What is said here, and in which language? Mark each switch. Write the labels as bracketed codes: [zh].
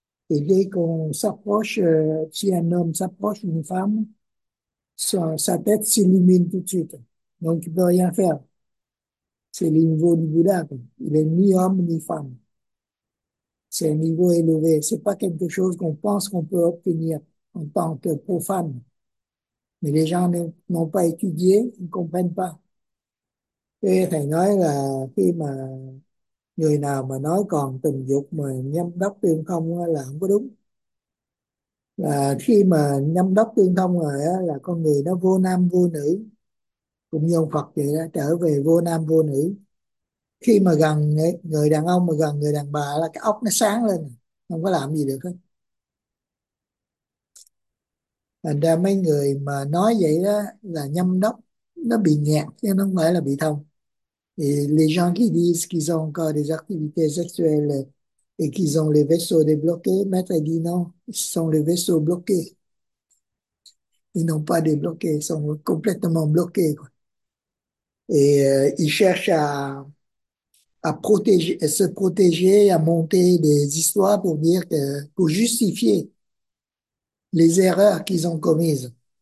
[fr] Et dès qu'on s'approche, si un homme s'approche d'une femme, sa tête s'illumine tout de suite. Donc, il ne peut rien faire. C'est le niveau du Bouddha. Il n'est ni homme ni femme. C'est un niveau élevé. Ce n'est pas quelque chose qu'on pense qu'on peut obtenir en tant que profane. Mais les gens n'ont pas étudié, ils ne comprennent pas. Et [vi] thầy nói là khi mà người nào mà nói còn tình dục mà nhâm đốc tương không là không có đúng. là khi mà nhâm đốc tương thông rồi á, là con người nó vô nam vô nữ, cũng như ông Phật vậy đó, trở về vô nam vô nữ. Khi mà gần người đàn ông mà gần người đàn bà là cái óc nó sáng lên, không có làm gì được hết. Thành ra mấy người mà nói vậy đó là nhâm đốc nó bị nghẹt chứ nó không phải là bị thông. [fr] Et les gens qui disent qu'ils ont encore des activités sexuelles et qu'ils ont les vaisseaux débloqués, Maître dit non, ils sont les vaisseaux bloqués. Ils n'ont pas débloqué, ils sont complètement bloqués, quoi. Et ils cherchent à protéger, à se protéger, à monter des histoires pour dire que, pour justifier les erreurs qu'ils ont commises.